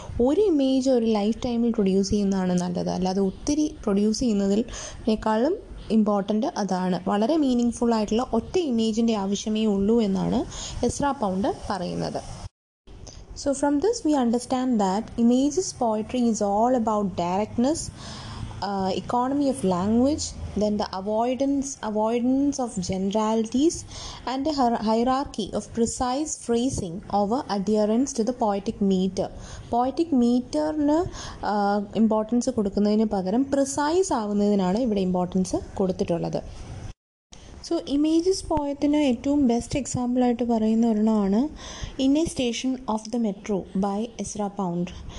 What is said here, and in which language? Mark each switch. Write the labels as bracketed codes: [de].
[ml] ഒരു ഇമേജ് ഒരു ലൈഫ് ടൈമിൽ പ്രൊഡ്യൂസ് ചെയ്യുന്നതാണ് നല്ലത്, അല്ലാതെ ഒത്തിരി പ്രൊഡ്യൂസ് ചെയ്യുന്നതിനേക്കാളും ഇമ്പോർട്ടൻ്റ് അതാണ്. വളരെ മീനിങ് ഫുൾ ആയിട്ടുള്ള ഒറ്റ ഇമേജിൻ്റെ ആവശ്യമേ ഉള്ളൂ എന്നാണ് എസ്ര പൗണ്ട് പറയുന്നത്. [en] So from this we understand that images poetry is all about directness, economy of language, then the avoidance of generalities and the hierarchy of precise phrasing over adherence to the poetic meter. [ml] Poetic മീറ്ററിന് importance കൊടുക്കുന്നതിന് പകരം precise ആവുന്നതിനാണ് ഇവിടെ importance കൊടുത്തിട്ടുള്ളത്. So images പോയത്തിന് ഏറ്റവും best എക്സാമ്പിളായിട്ട് പറയുന്ന ഒരെണ്ണമാണ് in A station of the metro by Ezra pound.